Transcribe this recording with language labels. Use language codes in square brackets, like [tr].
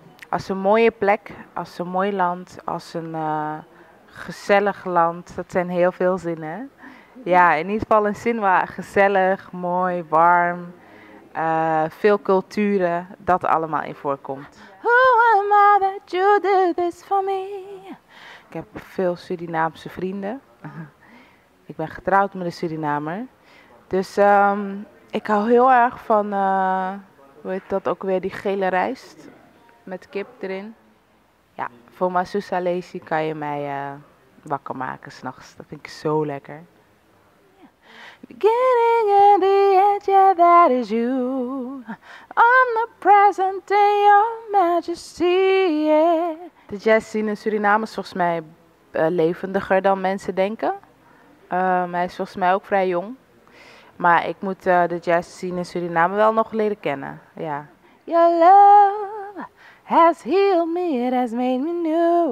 [nl] Als een mooie plek, als een mooi land, als een gezellig land. Dat zijn heel veel zinnen. Ja, in ieder geval een zin waar gezellig, mooi, warm, veel culturen, dat allemaal in voorkomt. [en] Who am I that you do this for me? [nl] Ik heb veel Surinaamse vrienden. Ik ben getrouwd met een Surinamer. Dus ik hou heel erg van, hoe heet dat ook weer, die gele rijst. Met kip erin. Ja, voor Masusa Lesi kan je mij wakker maken 's nachts. Dat vind ik zo lekker. [en] Beginning and the end, yeah, that is you. I'm the present in your majesty, yeah. [nl] De jazz scene in Suriname is volgens mij levendiger dan mensen denken. Hij is volgens mij ook vrij jong. Maar ik moet de jazz scene in Suriname wel nog leren kennen. Ja. [en] Your love has healed me, it has made me new.